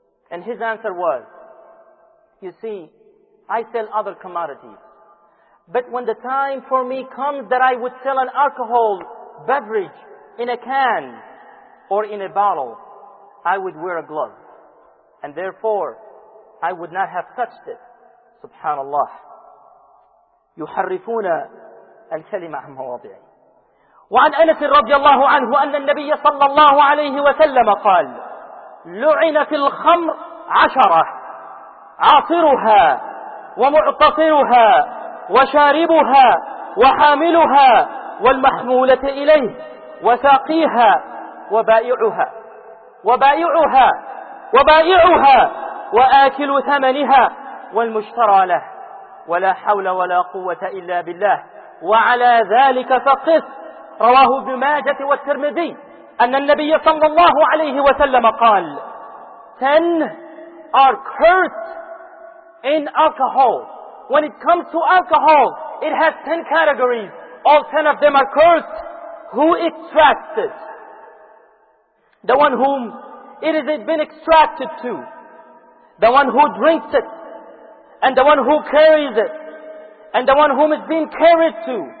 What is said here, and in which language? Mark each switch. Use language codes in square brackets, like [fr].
[en] And his answer was, you see, I sell other commodities. But when the time for me comes that I would sell an alcohol beverage in a can or in a bottle, I would wear a glove. And therefore, I would not have touched it. Subhanallah. [ar] يحرفون الكلمة عن مواضعه. وعن أنس رضي الله عنه أن النبي صلى الله عليه وسلم قال لعن في الخمر عشرة عاصرها ومعتصرها وشاربها وحاملها والمحمولة إليه وساقيها وبائعها وبائعها وبائعها وآكل ثمنها والمشترى له ولا حول ولا قوة إلا بالله وعلى ذلك فقس. رواه ابن ماجة والترمذي أن النبي صلى الله عليه وسلم قال [en] 10 are cursed in alcohol. When it comes to alcohol, it has 10 categories. All 10 of them are cursed. Who extracts it? The one whom it has been extracted to. The one who drinks it. And the one who carries it. And the one whom it's been carried to.